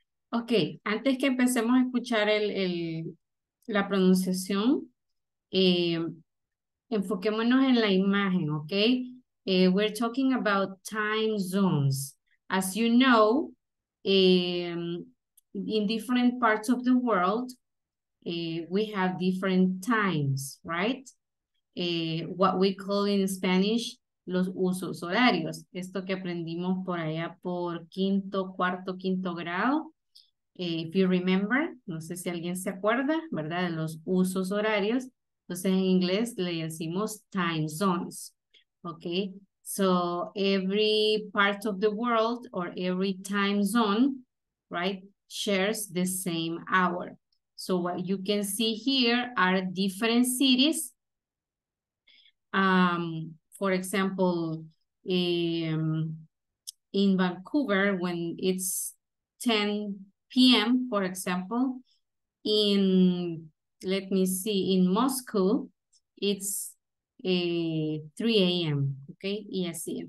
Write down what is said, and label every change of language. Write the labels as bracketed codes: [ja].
[es] Okay, antes que empecemos a escuchar la pronunciación, enfoquémonos en la imagen, okay? [en] We're talking about time zones. As you know, in different parts of the world, we have different times, right? What we call in Spanish, [es] los usos horarios. Esto que aprendimos por allá por quinto grado. [en] If you remember, [es] no sé si alguien se acuerda, ¿verdad? De los usos horarios. Entonces, en inglés le decimos time zones, okay? [en] So, every part of the world or every time zone, right, shares the same hour. So, what you can see here are different cities. For example, in Vancouver, when it's 10 p.m., for example, in Moscow, it's 3 a.m., okay, [es] y así.